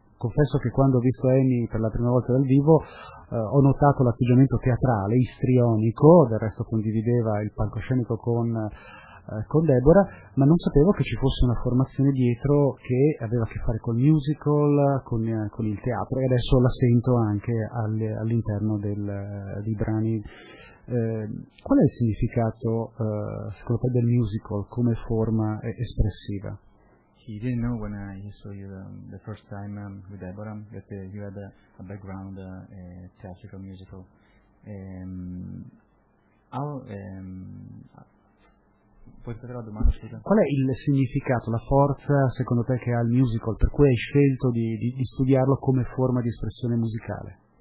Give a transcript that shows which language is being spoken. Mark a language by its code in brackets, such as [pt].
[it] Confesso che quando ho visto Amy per la prima volta dal vivo ho notato l'atteggiamento teatrale, istrionico, del resto condivideva il palcoscenico con Deborah, ma non sapevo che ci fosse una formazione dietro che aveva a che fare col musical, con il teatro, e adesso la sento anche all'interno dei brani. Qual è il significato, secondo te, del musical come forma espressiva? [en] He didn't know when I saw you the first time with Deborah that you had a background theatrical musical. [it] Qual è il significato, la forza secondo te che ha il musical per cui hai scelto di studiarlo come forma di espressione musicale?